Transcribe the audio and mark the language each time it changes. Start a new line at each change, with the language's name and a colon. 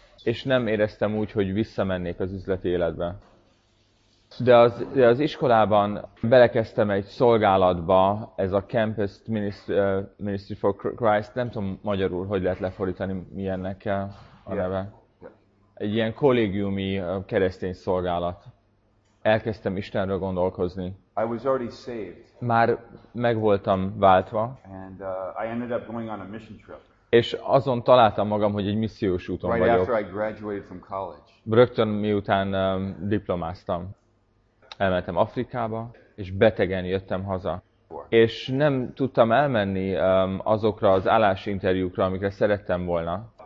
Hungarian: És nem éreztem úgy, hogy visszamennék az üzleti életbe. De az iskolában belekezdtem egy szolgálatba, ez a Campus Ministry for Christ, nem tudom magyarul, hogy lehet lefordítani, milyennek a neve. Egy ilyen kollégiumi keresztény szolgálat. Elkezdtem Istenről gondolkozni.
English: I was already saved.
Hungarian: Már meg voltam váltva.
English: And I ended up going on a mission trip.
Hungarian: És azon találtam magam, hogy egy missziós úton
English: right
Hungarian: vagyok.
English: After I graduated from college.
Hungarian: Rögtön miután diplomáztam, elmentem Afrikába, és betegen jöttem haza. És nem tudtam elmenni azokra az állásinterjúkra, amikre szerettem volna.